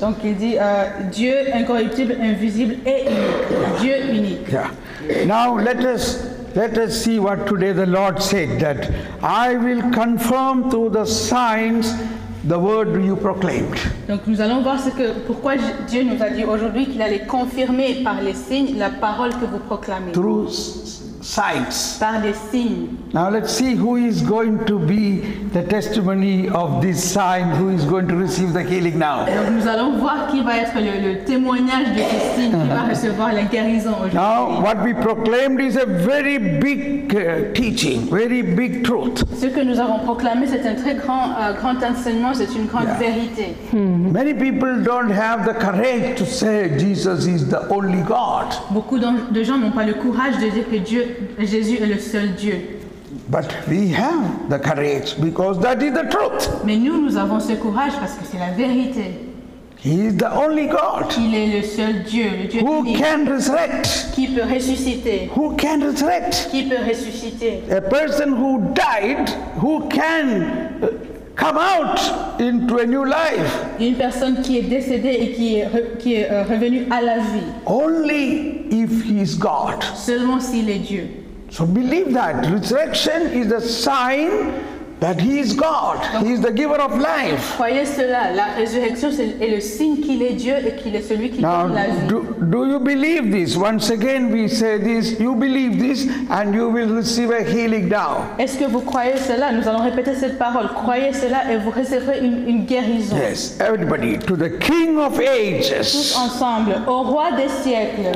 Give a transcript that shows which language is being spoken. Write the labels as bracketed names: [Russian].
[French] Donc il dit Dieu incorruptible, invisible et unique. Dieu unique. Yeah. [English] Now let us see what today the Lord said, that I will confirm through the signs the word you proclaimed. [French] Donc nous allons voir pourquoi Dieu nous a dit aujourd'hui qu'il allait confirmer par les signes la parole que vous proclamez. [English] Through signs. [French] Par des signes. [English] Now let's see who is going to be the testimony of this sign, who is going to receive the healing now. [French] Nous allons voir qui va être le témoignage de ce signe qui va recevoir la guérison aujourd'hui. [English] Now what we proclaimed is a very big teaching, very big truth. [French] Ce que nous avons proclamé, c'est un très grand grand enseignement, c'est une grande vérité. [English] Many people don't have the courage to say Jesus is the only God. [French] Beaucoup de gens n'ont pas le courage de dire que Dieu, Jésus est le seul Dieu. [English] But we have the courage because that is the truth. [French] Mais nous, nous avons ce courage parce que c'est la vérité. [English] He is the only God. [French] Il est le seul Dieu, le Dieu [English] who can resurrect. [French] Qui peut ressusciter. [English] Who can resurrect. [French] Qui peut ressusciter. [English] A person who died, who can come out into a new life. [French] Une personne qui est décédée et qui est revenue à la vie. [English] Only if he is God. [French] Seulement s'il est Dieu. [English] So believe that resurrection is a sign that he is God. He is the giver of life. [French] Croyez cela, la résurrection est le signe qu'il est Dieu et qu'il est celui qui donne la vie. [English] Do you believe this? Once again we say this, you believe this and you will receive a healing now. [French] Est-ce que vous croyez cela? Nous allons répéter cette parole. Croyez cela et vous recevrez une guérison. [English] Yes, everybody, to the King of Ages. [French] Tous ensemble, au roi des siècles.